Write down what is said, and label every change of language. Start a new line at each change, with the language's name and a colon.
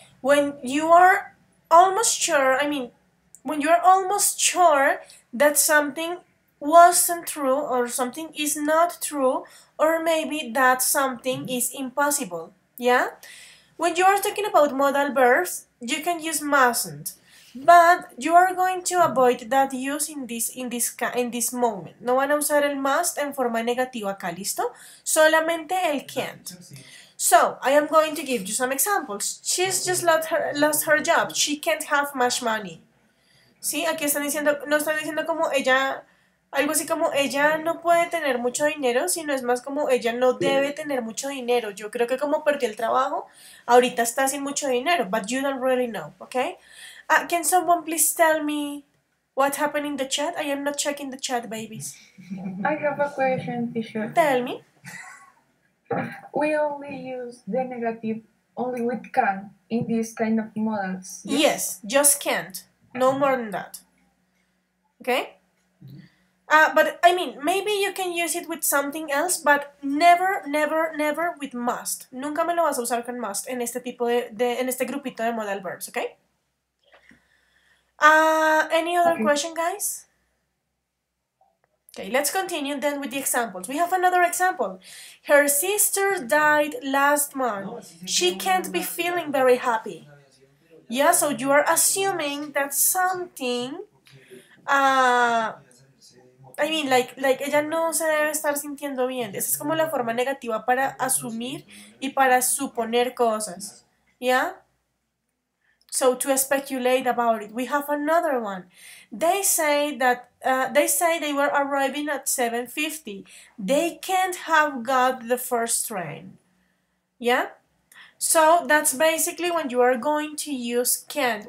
English: When you are almost sure, I mean, when you are almost sure that something wasn't true or something is not true, or maybe that something is impossible. Yeah? When you are talking about modal verbs, you can use mustn't. But you are going to avoid that use in this moment.
Spanish: No van a usar el must en forma negativa acá, ¿listo? Solamente el can't.
English: So, I am going to give you some examples. She's just lost her job. She can't have much money. ¿Sí?
Spanish: Aquí están diciendo, no están diciendo como ella, algo así como ella no puede tener mucho dinero, sino es más como ella no debe tener mucho dinero. Yo creo que como perdió el trabajo, ahorita está sin mucho dinero.
English: But you don't really know, okay? Can someone please tell me what happened in the chat? I am not checking the chat, babies. I have a question, teacher. Tell me. We only use the negative only with can in these kind of modals. Yes, yes, just can't. No more than that. Okay? But, I mean, maybe you can use it with something else, but never, never, never with must.
Spanish: Nunca me lo vas a usar con must en este tipo de en este grupito de modal verbs, okay?
English: Any other question, guys? Okay, let's continue then with the examples. We have another example. Her sister died last month. She can't be feeling very happy. Yeah, so you are assuming that something, I mean, like
Spanish: ella no se debe estar sintiendo bien. Esa es como la forma negativa para asumir y para suponer cosas. Yeah?
English: So to speculate about it, we have another one. They say that they were arriving at 7:50. They can't have got the first train. Yeah? So that's basically when you are going to use can't.